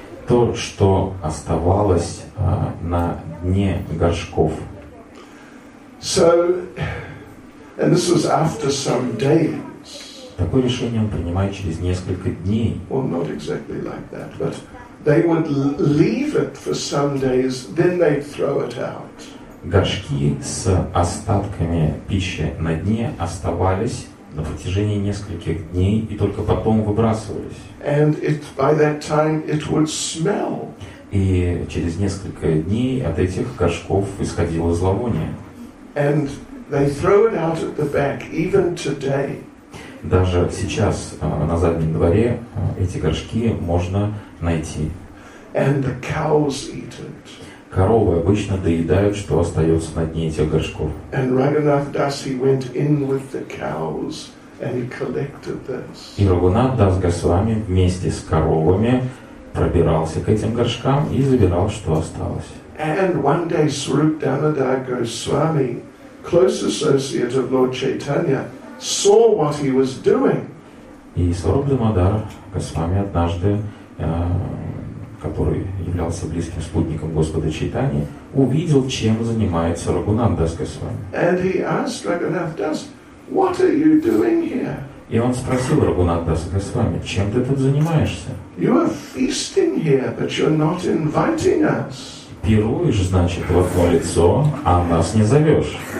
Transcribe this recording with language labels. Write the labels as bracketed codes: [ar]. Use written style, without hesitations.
[ru] То, что оставалось на дне горшков. [en] So, and this was after some days. [ru] Такое решение он принимает через несколько дней. [en] Well, not exactly like that, but they would leave it for some days, then they'd throw it out. [ru] Горшки с остатками пищи на дне оставались на протяжении нескольких дней и только потом выбрасывались. [en] And it, by that time, it would smell. [ru] И через несколько дней от этих горшков исходило зловоние. [en] And they throw it out at the back, even today. [ru] Даже сейчас на заднем дворе эти горшки можно найти. [en] And the cows eat it. [ru] Коровы обычно доедают, что остается на дне этих горшков. [en] And Raghunath Das, he went in with the cows and he collected this. [ru] И Рагунат Дас Госвами вместе с коровами пробирался к этим горшкам и забирал, что осталось. [en] And one day Swarup Damodar Goswami, close associate of Lord Chaitanya, saw what he was doing. [ru] И Свароп Дамодар Госвами однажды, который являлся близким спутником Господа Чайтаньи, увидел, чем занимается Рагунат Дас Госвами. И он спросил Рагунат Дас Госвами, чем ты тут занимаешься? [en] You are feasting here, but you're not inviting us. [ru] Пируешь, значит, в одно лицо, а нас не зовешь.